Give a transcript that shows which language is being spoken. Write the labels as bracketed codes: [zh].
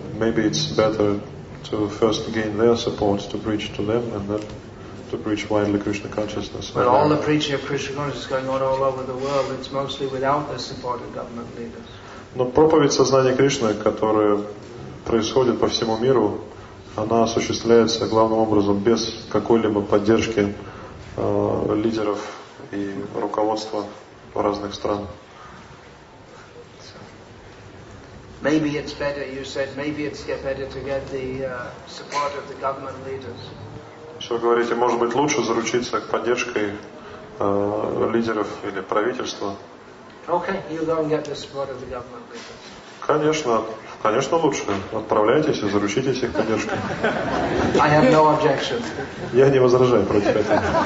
[en] Maybe it's better to first gain their support to preach to them and then to preach widely Krishna consciousness. But all the preaching of Krishna consciousness is going on all over the world. It's mostly without the support of government leaders. [ru] Но проповедь сознания Кришны, которая происходит по всему миру, она осуществляется главным образом без какой-либо поддержки лидеров и руководства разных стран. [en] Maybe it's better, you said, maybe it's better to get the support of the government leaders. [ru] Что вы говорите, может быть лучше заручиться поддержкой лидеров или правительства? [en] Okay, you go and get the support of the government. [ru] Конечно, конечно лучше. Отправляйтесь и заручитесь их поддержкой. [en] I have no objection. [ru] Я не возражаю против этого.